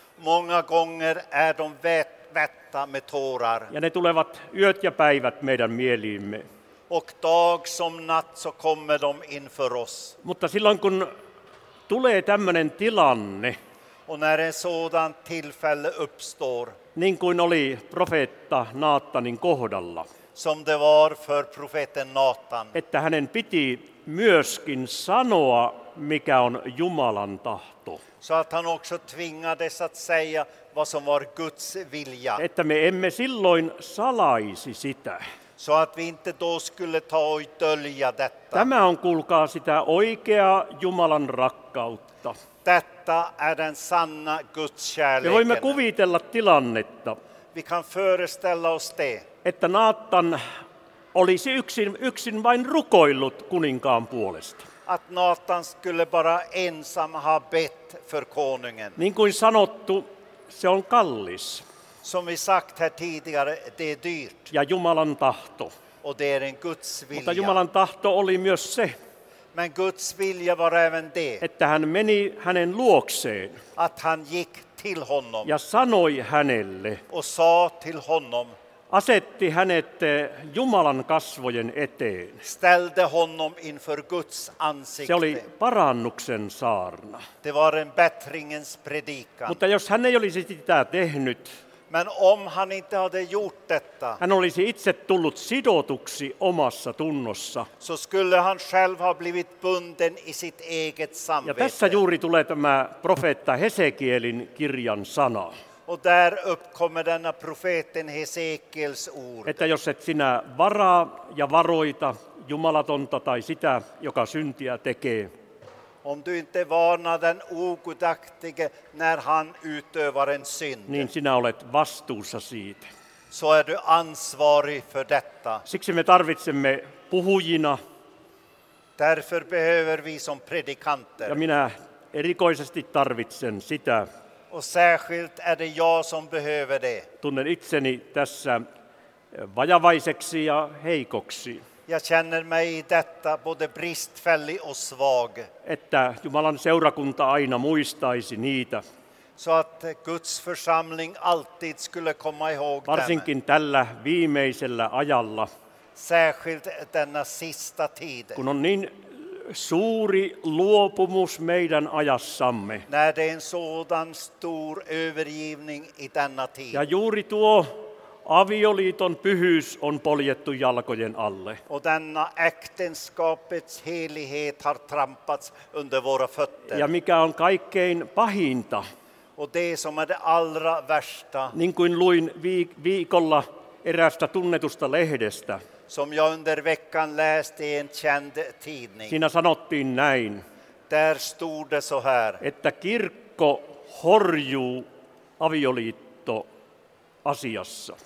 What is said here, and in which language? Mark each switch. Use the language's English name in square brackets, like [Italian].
[Swedish] Många gånger är de vätta med tårar. [Finnish] Ja ne tulevat yöt ja päivät meidän mieliimme. [Swedish] Och dag som natt så kommer de inför oss. [Finnish] Mutta silloin kun tulee tämmöinen tilanne. [Swedish] Och när en sådan tillfälle uppstår. [Finnish] Niin kuin oli profeetta Naatanin kohdalla. [Swedish] Som det var för profeten Naatan. [Finnish] Että hänen piti myöskin sanoa, mikä on Jumalan tahto. [Swedish] Så att han också tvingades att säga vad som var Guds vilja. [Finnish] Että me emme silloin salaisi sitä. [Swedish] Så att vi inte då skulle ta och dölja detta. [Finnish] Tämä on kuulkaa sitä oikea Jumalan rakkautta. [Swedish] Detta är den sanna Guds kärleken. [Finnish] Me voimme kuvitella tilannetta. [Swedish] Vi kan föreställa oss det. [Finnish] Että Naatan olisi yksin vain rukoillut kuninkaan puolesta. [Swedish] Att Naatan skulle bara ensam ha bett för konungen. [Finnish] Niin kuin sanottu, se on kallis. [Swedish] Som vi sagt här tidigare, det är dyrt. [Finnish] Ja Jumalan tahto. [Swedish] Och det är en Guds vilja. [Finnish] Mutta Jumalan tahto oli myös se. [Swedish] Men Guds vilja var även det. [Finnish] Että hän meni hänen luokseen. [Swedish] Att han gick till honom. [Finnish] Ja sanoi hänelle. [Swedish] Och sa till honom. [Finnish] Asetti hänet Jumalan kasvojen eteen. [Swedish] Ställde honom inför Guds ansikte. [Finnish] Se oli parannuksen saarna. [Swedish] Det var en bättringens predikan. [Finnish] Mutta jos hän ei olisi sitä tehnyt. [Swedish] Men om han inte hade gjort detta. [Finnish] Hän olisi itse tullut sidotuksi omassa tunnossa. [Swedish] Så skulle han själv ha blivit bunden i sitt eget samvete. [Finnish] Ja tässä juuri tulee tämä profeetta Hesekielin kirjan sana. [Swedish] Och där uppkommer denna profeten Hesekiels ord. [Finnish] Että jos et sinä varaa ja varoita jumalatonta tai sitä, joka syntiä tekee. [Swedish] Om du inte varnar den ogudaktige när han utövar en synd. [Finnish] Niin sinä olet vastuussa siitä. [Swedish] Så är du ansvarig för detta. [Finnish] Siksi me tarvitsemme puhujina. [Swedish] Därför behöver vi som predikanter. [Finnish] Ja minä erikoisesti tarvitsen sitä. [Swedish] Och särskilt är det jag som behöver det. [Finnish] Tunnen itseni tässä vajavaiseksi ja heikoksi. [Swedish] Jag känner mig i detta både bristfällig och svag. [Finnish] Että Jumalan seurakunta aina muistaisi niitä. [Swedish] Så att Guds församling alltid skulle komma ihåg [Finnish] varsinkin [Swedish] dem. [Finnish] Tällä viimeisellä ajalla. [Swedish] särskilt denna sista tid. [Finnish] Kun on niin suuri luopumus meidän ajassamme. [Swedish] När det är en sådan stor övergivning i denna tid. [Finnish] Ja juuri tuo avioliiton pyhyys on poljettu jalkojen alle. [Swedish] Och denna äktenskapets helighet har trampats under våra fötter. [Finnish] Ja mikä on kaikkein pahinta. [Swedish] Och det som är det allra värsta. [Finnish] Niin kuin luin viikolla eräästä tunnetusta lehdestä. [Swedish] Som jag under veckan läste i en känd tidning. [Finnish] Siinä sanottiin näin. [Swedish] Där stod det så här. [Finnish] Että kirkko horjuu avioliitto asiassa.